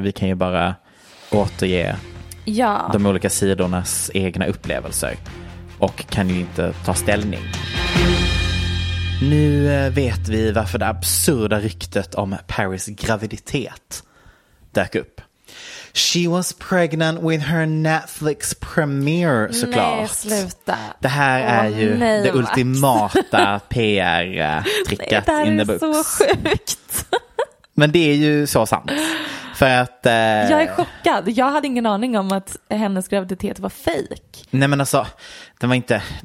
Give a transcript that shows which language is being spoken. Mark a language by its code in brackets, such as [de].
[sv] Vi kan ju bara återge de olika sidornas egna upplevelser och kan ju inte ta ställning. Nu vet vi varför det absurda ryktet om Paris graviditet dök upp. [en] She was pregnant with her Netflix premiere, såklart. [sv] Nej, sluta. Det här är ju det ultimata PR-tricket [en] in the books. [sv] Det är så sjukt. Men det är ju så sant. För att, jag är chockad. Jag hade ingen aning om att hennes graviditet var fejk. Nej, men alltså, det var inte...